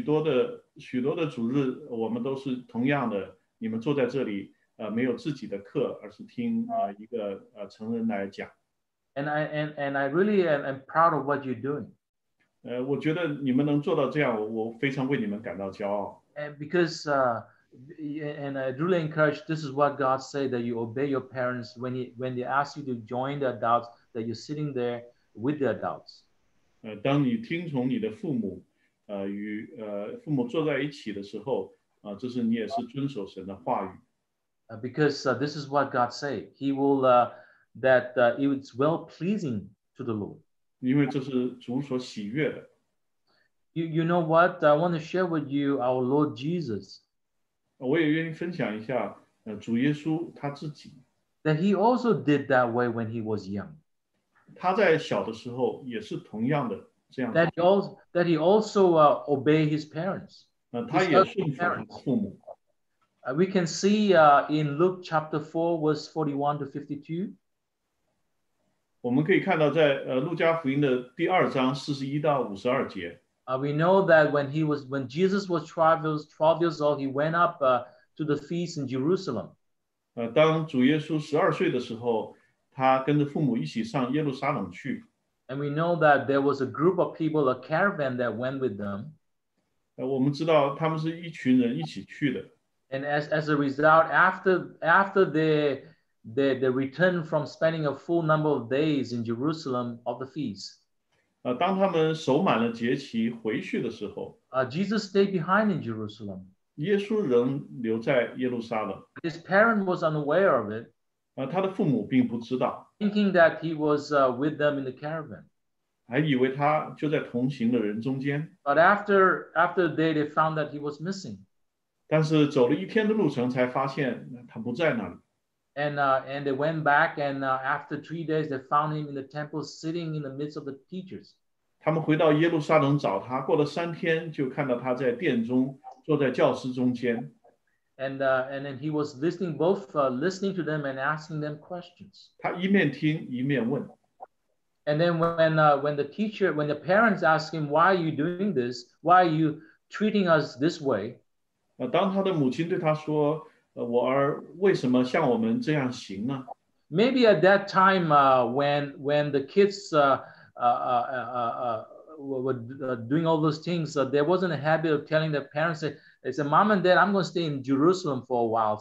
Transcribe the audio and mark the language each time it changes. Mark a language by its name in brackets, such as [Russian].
[Chinese] 也许还会有许多的主日, 我们都是同样的, 你们坐在这里, 没有自己的课, 而是听, 一个, 成人来讲。 [English] And I really am proud of what you're doing. [Chinese] 我觉得你们能做到这样，我非常为你们感到骄傲。 [English] And because and I really encourage, this is what God said, that you obey your parents when they ask you to join the adults, that you're sitting there with the adults. [Chinese] 当你听从你的父母，与父母坐在一起的时候，这是你也是遵守神的话语。 [English] Because this is what God said. He will. That it's well pleasing to the Lord. [Chinese] 因为这是主所喜悦的。 [English] You know what? I want to share with you our Lord Jesus. [Chinese] 我也愿意分享一下主耶稣他自己。 [English] That he also did that way when he was young. [Chinese] 他在小的时候也是同样的这样。 [English] That he also obeyed his parents. [Chinese] 他也顺服父母。 [English] We can see in Luke chapter 4, verse 41 to 52. [Chinese] 我们可以看到在路加福音的第二章41到52节。 [English] We know that when Jesus was 12 years old, he went up to the feast in Jerusalem. [Chinese] 当主耶稣十二岁的时候，他跟着父母一起上耶路撒冷去。 [English] And we know that there was a group of people, a caravan that went with them. [Chinese] 我们知道他们是一群人一起去的。 [English] And as a result, after they returned from spending a full number of days in Jerusalem of the feast. [Chinese] 当他们守满了节期回去的时候。 [English] Jesus stayed behind in Jerusalem. [Chinese] 耶稣仍留在耶路撒冷。 [English] His parent was unaware of it. [Chinese] 他的父母并不知道。 [English] Thinking that he was with them in the caravan. [Chinese] 还以为他就在同行的人中间。 [English] But after a day, they found that he was missing. [Chinese] 但是走了一天的路程才发现他不在那里。 [English] And they went back, and after 3 days, they found him in the temple sitting in the midst of the teachers. [Chinese] 他们回到耶路撒冷找他，过了三天就看到他在殿中，坐在教室中间。 [English] And then he was listening, both listening to them and asking them questions. [Chinese] 他一面听一面问。 [English] And then when the parents asked him, why are you doing this? Why are you treating us this way? [Chinese] 当他的母亲对他说，我儿为什么像我们这样行呢？ [English] Maybe at that time, when the kids were doing all those things, there wasn't a habit of telling their parents that, they said, Mom and Dad, I'm going to stay in Jerusalem for a while.